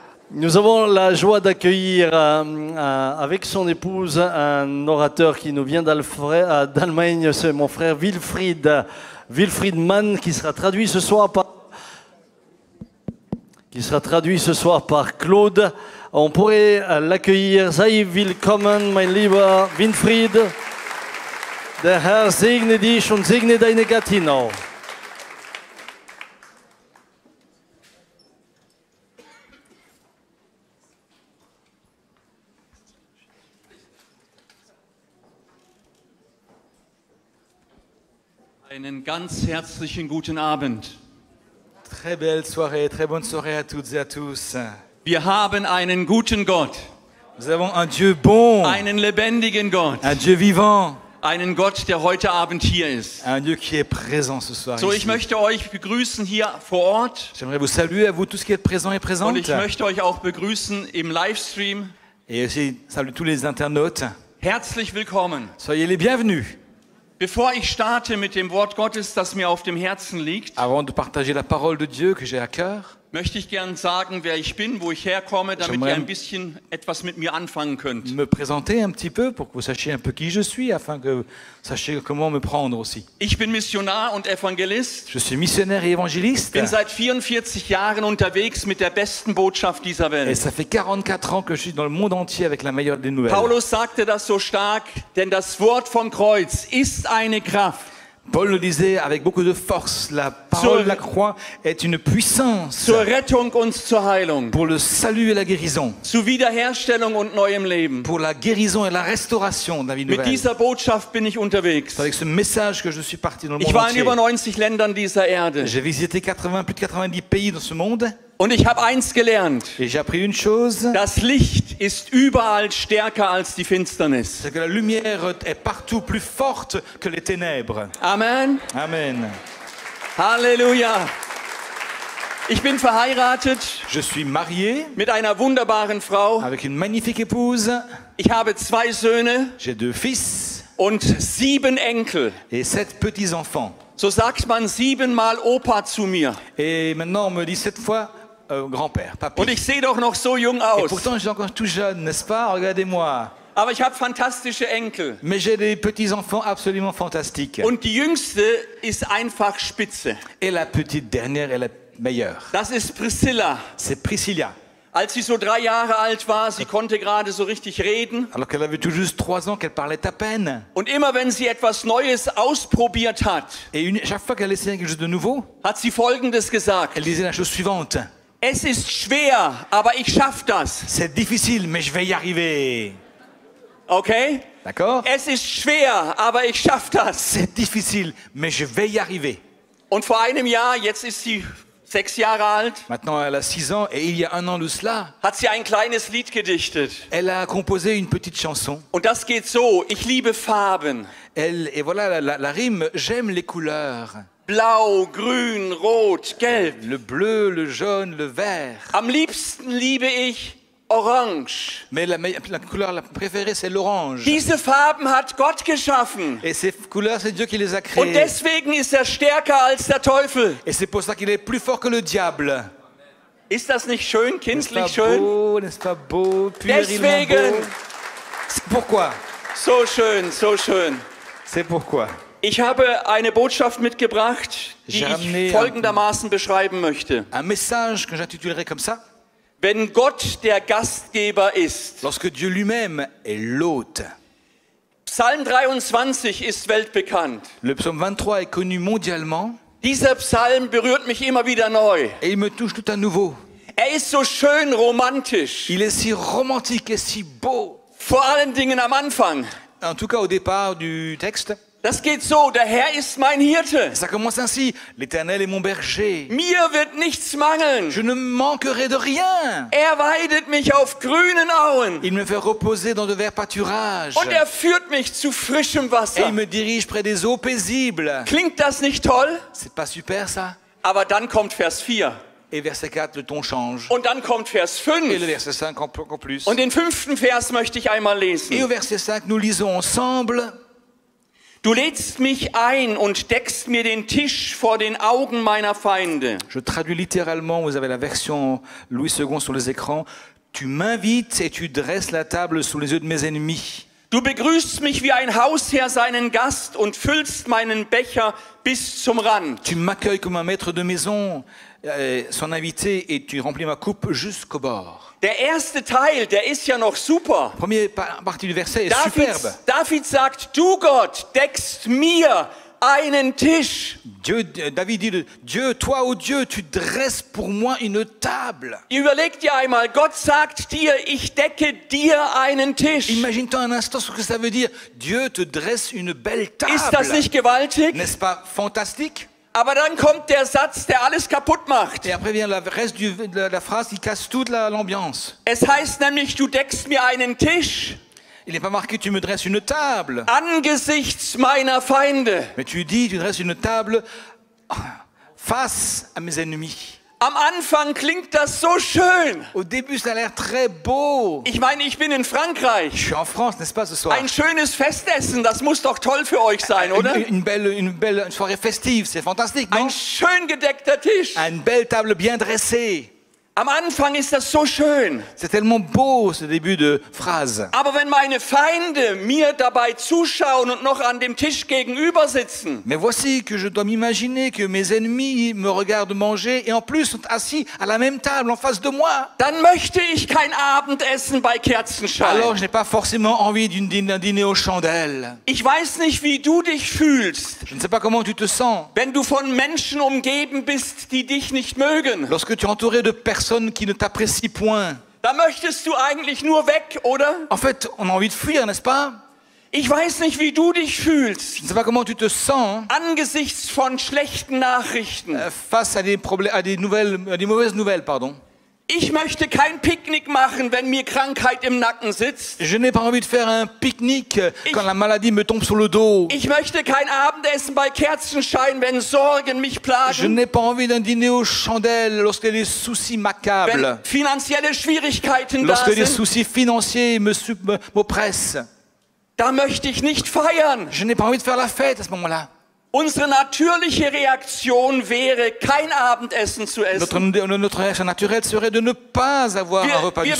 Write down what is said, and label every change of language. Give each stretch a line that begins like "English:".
French: Nous avons la joie d'accueillir avec son épouse un orateur qui nous vient d'Allemagne, c'est mon frère Wilfried Mann, qui sera traduit ce soir par qui sera traduit ce soir par Claude. On pourrait l'accueillir.
German: Sei willkommen, mein lieber Winfried. Der Herr segne dich und segne deine Gattin auch. Einen ganz herzlichen guten Abend.
French: Très belle soirée, très bonne soirée à toutes et à tous.
German: Wir haben einen guten Gott.
French: Nous avons un Dieu bon.
German: Einen lebendigen Gott.
French: Un Dieu vivant.
German: Einen Gott, der heute Abend hier ist.
French: Un Dieu qui est présent ce soir.
German: So, ich möchte euch begrüßen hier vor Ort.
French: J'aimerais vous saluer à vous tous qui êtes présents et présentes.
German: Und ich möchte euch auch begrüßen im Livestream.
French: Et aussi salue tous les internautes.
German: Herzlich willkommen.
French: Soyez les bienvenus.
German: Bevor ich starte mit dem Wort Gottes, das mir auf dem Herzen liegt,
French: avant de partager la parole de Dieu que j'ai à cœur,
German: möchte ich gern sagen, wer ich bin, wo ich herkomme, damit ihr ein bisschen etwas mit mir anfangen könnt.
French: Me présenter un petit peu pour que vous sachiez un peu qui je suis, afin que vous sachiez comment me prendre aussi.
German: Ich bin Missionar und Evangelist.
French: Je suis missionnaire et évangéliste.
German: Bin seit 44 Jahren unterwegs mit der besten Botschaft dieser Welt.
French: Et ça fait 44 ans que je suis dans le monde entier avec la meilleure des nouvelles.
German: Paulus sagte das so stark, denn das Wort vom Kreuz ist eine Kraft.
French: Paul le disait avec beaucoup de force, la parole de la croix est une puissance
German: zur Rettung und zur Heilung,
French: pour le salut et la guérison,
German: zur Wiederherstellung und neuem Leben,
French: pour la guérison et la restauration de la vie nouvelle.
German: Mit dieser Botschaft bin ich unterwegs.
French: Avec ce message que je suis parti dans le
German: ich
French: monde
German: war
French: entier.
German: In über 90 Ländern dieser Erde.
French: J'ai visité plus de 90 pays dans ce monde.
German: Und ich habe eins gelernt.
French: Et j'ai appris une chose.
German: Das Licht ist überall stärker als die Finsternis.
French: C'est que la lumière est partout plus forte que les ténèbres. Amen. Amen.
German: Halleluja. Ich bin verheiratet.
French: Je suis marié.
German: Mit einer wunderbaren Frau.
French: Avec une magnifique épouse.
German: Ich habe zwei Söhne.
French: J'ai deux fils.
German: Und sieben Enkel.
French: Et sept petits-enfants.
German: So sagt man siebenmal Opa zu mir.
French: Et maintenant on me dit sept fois grand-père, papi.
German: Und ich sehe doch noch so jung aus.
French: Et pourtant je suis encore tout jeune, n'est-ce pas? Regardez-moi.
German: Aber ich habe fantastische Enkel.
French: Mais j'ai des petits-enfants absolument fantastiques.
German: Und die jüngste ist einfach spitze.
French: Et la petite dernière est la meilleure.
German: Das ist Priscilla.
French: C'est Priscilla.
German: Als sie so drei Jahre alt war, sie konnte gerade so richtig reden.
French: Alors qu'elle avait tout juste 3 ans, qu'elle parlait à peine.
German: Und immer wenn sie etwas Neues ausprobiert hat,
French: et chaque fois qu'elle essayait quelque chose de nouveau,
German: hat sie Folgendes gesagt.
French: Elle disait la chose suivante.
German: Es ist schwer, aber ich schaff das.
French: C'est difficile, mais je vais y arriver.
German: Okay?
French: D'accord?
German: Es ist schwer, aber ich schaff das.
French: C'est difficile, mais je vais y arriver.
German: Und vor einem Jahr, jetzt ist sie 6 Jahre alt.
French: Maintenant elle a 6 ans et il y a un an de cela.
German: Hat sie ein kleines Lied gedichtet.
French: Elle a composé une petite chanson.
German: Und das geht so, ich liebe Farben.
French: Elle et voilà la rime, j'aime les couleurs.
German: Blau, grün, rot, gelb,
French: le bleu, le jaune, le vert.
German: Am liebsten liebe ich orange.
French: Mais la couleur la préférée c'est l'orange.
German: Diese Farben hat Gott geschaffen.
French: Et ces couleurs c'est Dieu qui les a créées.
German: Und deswegen ist stärker als der Teufel.
French: Et c'est pour ça qu'il est plus fort que le diable.
German: Ist das nicht schön, kindlich schön?
French: N'est-ce pas beau,
German: deswegen.
French: C'est pourquoi.
German: So schön, so schön.
French: C'est pourquoi.
German: Ich habe eine Botschaft mitgebracht, die ich folgendermaßen beschreiben möchte.
French: Un message que j'intitulerai comme ça.
German: Wenn Gott der Gastgeber ist.
French: Lorsque Dieu lui-même est l'hôte.
German: Psalm 23 ist weltbekannt.
French: Le psaume 23 est connu mondialement.
German: Dieser Psalm berührt mich immer wieder neu.
French: Et il me touche tout à nouveau.
German: Er ist so schön romantisch.
French: Il est si romantique et si beau.
German: Vor allen Dingen am Anfang.
French: En tout cas au départ du texte.
German: Das geht so, der Herr ist mein Hirte.
French: Ça commence ainsi, l'Éternel est mon berger.
German: Mir wird nichts mangeln.
French: Je ne manquerai de rien.
German: Er weidet mich auf grünen Auen.
French: Il me fait reposer dans de verts pâturages.
German: Und er führt mich zu frischem Wasser.
French: Et il me dirige près des eaux paisibles.
German: Klingt das nicht toll?
French: C'est pas super ça?
German: Aber dann kommt Vers 4.
French: Et verset 4, le ton change.
German: Und dann kommt Vers 5.
French: Et le verset 5 encore plus.
German: Und den fünften Vers möchte ich einmal lesen.
French: Et au verset 5, nous lisons ensemble.
German: Du lädst mich ein und deckst mir den Tisch vor den Augen meiner Feinde.
French: Je traduis littéralement, vous avez la version Louis II sur les écrans. Tu m'invites et tu dresses la table sous les yeux de mes ennemis.
German: Du begrüßt mich wie ein Hausherr seinen Gast und füllst meinen Becher bis zum Rand.
French: Tu m'accueilles comme un maître de maison, son invité, et tu remplis ma coupe jusqu'au bord.
German: Der erste Teil, der ist ja noch super.
French: Première partie du verset est superbe.
German: David sagt: Du Gott deckst mir einen Tisch.
French: Dieu, David dit: Dieu, toi, oh Dieu, tu dresses pour moi une table.
German: Überleg dir einmal, Gott sagt dir: Ich decke dir einen Tisch.
French: Imagine-toi un instant ce que ça veut dire. Dieu te dresse une belle table.
German: Ist das nicht gewaltig?
French: N'est-ce pas fantastique?
German: Aber dann kommt der Satz, der alles kaputt macht.
French: Et après vient le reste du, la phrase qui casse toute l'ambiance.
German: Es heißt nämlich: Du deckst mir einen Tisch.
French: Il n'est pas marqué tu me dresses une table.
German: Angesichts meiner Feinde.
French: Mais tu dis tu dresses une table face à mes ennemis.
German: Am Anfang klingt das so schön.
French: Au début ça a l'air très beau.
German: Ich meine, ich bin in Frankreich.
French: Je suis en France, n'est-ce pas ce soir?
German: Ein schönes Festessen, das muss doch toll für euch sein, oder?
French: Une soirée festive, c'est fantastique, non?
German: Ein schön gedeckter Tisch.
French: Une belle table bien dressée.
German: Am Anfang ist das so schön.
French: C'est tellement beau ce début de phrase.
German: Aber wenn meine Feinde mir dabei zuschauen und noch an dem Tisch gegenüber sitzen.
French: Mais voici que je dois m'imaginer que mes ennemis me regardent manger et en plus sont assis à la même table en face de moi.
German: Dann möchte ich kein Abendessen bei Kerzenschein.
French: Alors je n'ai pas forcément envie d'un dîner aux chandelles.
German: Ich weiß nicht, wie du dich fühlst.
French: Je ne sais pas comment tu te sens.
German: Wenn du von Menschen umgeben bist, die dich nicht mögen.
French: Lorsque tu es entouré de personne qui ne t'apprécie point.
German: Da möchtest du eigentlich nur weg, oder?
French: En fait, on a envie de fuir, n'est-ce pas?
German: Ich weiß nicht, wie du dich fühlst.
French: Je ne sais pas comment tu te sens.
German: Angesichts von schlechten Nachrichten.
French: Face à des problèmes, à des mauvaises nouvelles, pardon.
German: Ich möchte kein Picknick machen, wenn mir Krankheit im Nacken sitzt.
French: Je n'ai pas envie de faire un pique-nique quand la maladie me tombe sur le dos.
German: Ich möchte kein Abendessen bei Kerzenschein, wenn Sorgen mich plagen.
French: Je n'ai pas envie d'un dîner aux chandelles lorsque les soucis m'accablent.
German: Wenn finanzielle Schwierigkeiten
French: lorsque
German: da sind.
French: Lorsque les soucis financiers m'oppressent.
German: Da möchte ich nicht feiern.
French: Je n'ai pas envie de faire la fête à ce moment-là.
German: Unsere natürliche Reaktion wäre, kein Abendessen zu essen.
French: Notre réaction naturelle serait de ne pas avoir un repas du soir.